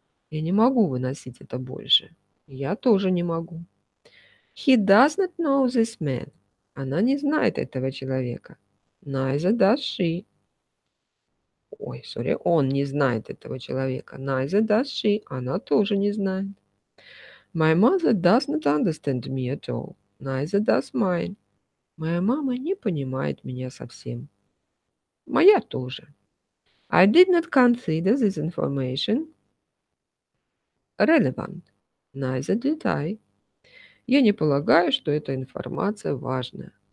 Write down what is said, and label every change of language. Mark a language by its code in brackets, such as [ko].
[ru] Я не могу выносить это больше. Я тоже не могу. [en] He does not know this man. [ru] Она не знает этого человека. [en] Neither does she. [ru] Ой, sorry, он не знает этого человека. [en] Neither does she. [ru] Она тоже не знает. [en] My mother does not understand me at all. Neither does mine. [ru] Моя мама не понимает меня совсем. Моя тоже. [en] I did not consider this information relevant. Neither did I. [ru] Я не полагаю, что эта информация важная.